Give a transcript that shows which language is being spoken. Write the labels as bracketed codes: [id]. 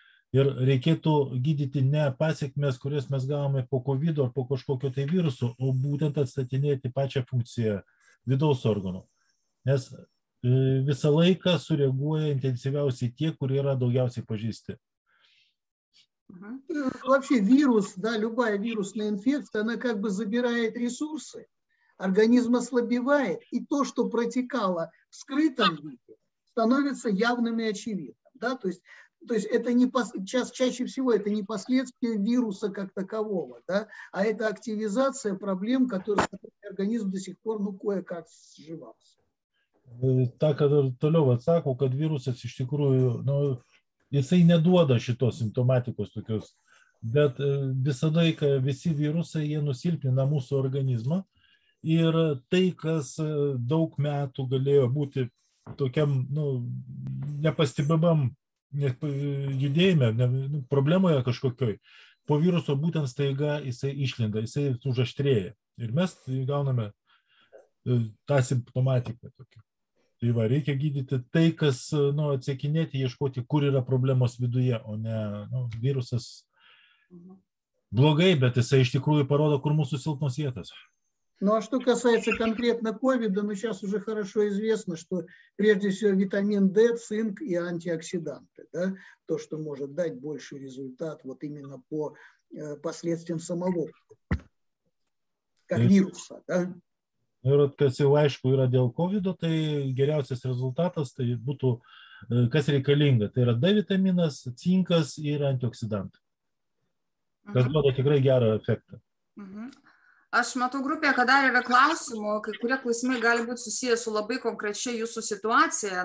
[lt] Ir reikėtų gydyti ne pasiekmes, kurias mes gavome po COVID ar po kažkokio tai viruso, o būtent atstatinėti pačią funkciją vidaus organų. Nes visą laiką sureaguoja intensyviausiai tie, kurie yra daugiausiai pažįsti. [ru] Вообще вирус, да, любая вирусная инфекция, она как бы забирает ресурсы, организм ослабевает, и то, что протекало в скрытом виде, становится явным и очевидным. Да? То есть это не чаще всего это не последствия вируса как такового, да? А это активизация проблем, которые организм до сих пор ну, кое-как сживался. [lt] Так, kad toliau atsakau, kad virusas iš tikrųjų, nu, jisai neduoda šitos simptomatikos tokios, bet visada, kai visi virusai, jie nusilpina mūsų organizmą ir tai, kas daug metų galėjo būti tokiam nu, nepastebimam judėjime, problemoje kažkokioj, po viruso būtent staiga jisai išlinda, jisai užaštrėja ir mes gauname tą simptomatiką tokį. Tai va, reikia gydyti tai, kas nu, atsiekinėti, ieškoti, kur yra problemos viduje, o ne nu, virusas blogai, bet jisai iš tikrųjų parodo, kur mūsų silpnos vietas. [ru] Ну, а что касается конкретно COVID-а, ну, сейчас уже хорошо известно, что прежде всего витамин D, цинк и антиоксиданты, да, то, что может дать больший результат вот именно по последствиям самого, как вируса, да. [lt] Ir kas jau aišku yra dėl COVID-o, tai geriausias rezultatas tai būtų, kas reikalinga, tai yra D vitaminas, cinkas ir antioksidantai. Kas duoda tikrai gerą efektą. Aš matau grupėje, kad dar yra klausimų, kai kurie klausimai gali būti susiję su labai konkrečiai jūsų situacija.